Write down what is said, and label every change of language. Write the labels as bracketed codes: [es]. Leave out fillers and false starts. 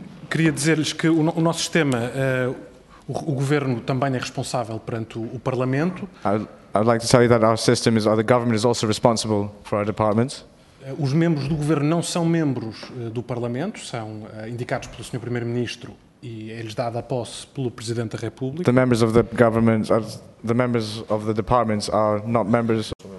[pt] Queria dizer-lhes que o nosso sistema, o governo também é responsável perante o Parlamento. [en] I'd like to tell you that our system is, or the government is also responsible for our departments. [pt] Os membros do governo não são membros do Parlamento, são indicados pelo Sr. Primeiro-Ministro e é-lhes dada a posse pelo Presidente da República. [en] The members of the government, the members of the departments are not members.